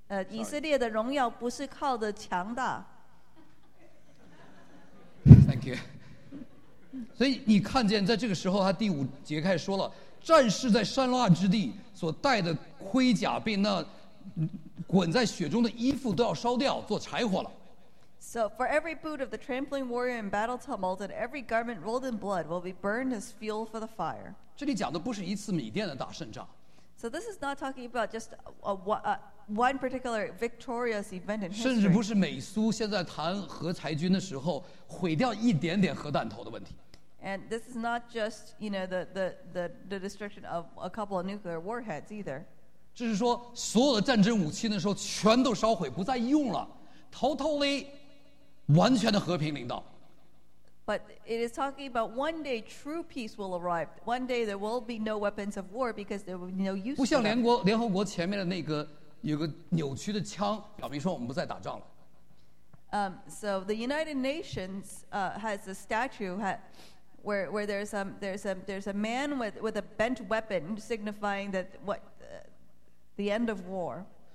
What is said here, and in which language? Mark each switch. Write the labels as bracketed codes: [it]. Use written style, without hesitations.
[zh] 以色列的荣耀不是靠的强大。 [en] Thank you. [zh] 所以你看见在这个时候，他第五节开始说了，战士在山洼之地所带的盔甲，被那滚在雪中的衣服都要烧掉，做柴火了。 [en] So for every boot of the trampling warrior in battle tumult and every garment rolled in blood will be burned as fuel for the fire. [zh] 这里讲的不是一次米甸的大胜仗。 [en] So this is not talking about just one particular victorious event in history. [zh] 甚至不是美苏现在谈核裁军的时候毁掉一点点核弹头的问题。 [en] And this is not just, you know, the destruction of a couple of nuclear warheads either. [zh] 这是说所有的战争武器的时候全都烧毁不再用了。 [en] Totally, [zh] 完全的和平领导。 [en] But it is talking about one day true peace will arrive. One day there will be no weapons of war because there will be no use. [zh] 不像联合国前面的那个有个扭曲的枪，表明说我们不再打仗了。 [en] So the United Nations has a statue where there's a man with a bent weapon signifying that what the end of war.